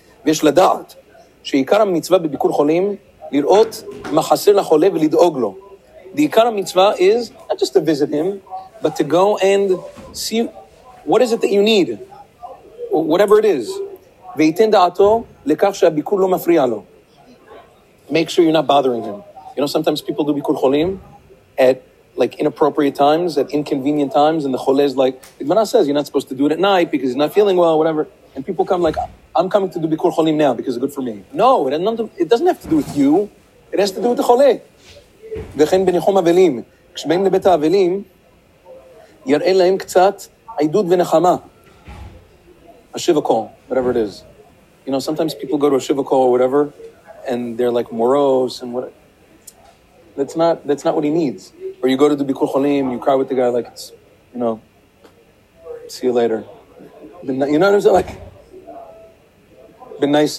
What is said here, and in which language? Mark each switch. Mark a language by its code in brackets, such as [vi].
[he] V'yesh lada'at, שעיקר המצווה בביקור חולים, לראות מה חסר לחולה ולדאוג לו. [en] The עיקר המצווה is not just to visit him, but to go and see what is it that you need, whatever it is. [he] ויתן דעתו לכך שהביקור לא מפריע לו. [en] Make sure you're not bothering him. You know, sometimes people do bikur cholim at like inappropriate times, at inconvenient times, and the chole is like, the Gemara says, you're not supposed to do it at night because you're not feeling well, whatever. And people come like, I'm coming to do bikur cholim now because it's good for me. No, it doesn't have to do with you. It has to do with the chole. [he] וכן בניחום אבלים, כשבאים לבית האבלים, יראה להם קצת עידוד ונחמה. [en] A shivakol, whatever it is. You know, sometimes people go to a shivakol or whatever, and they're like morose and what. That's not what he needs. Or you go to the bikur cholim, you cry with the guy like it's, you know, see you later. You know what I'm saying? Like, be nice.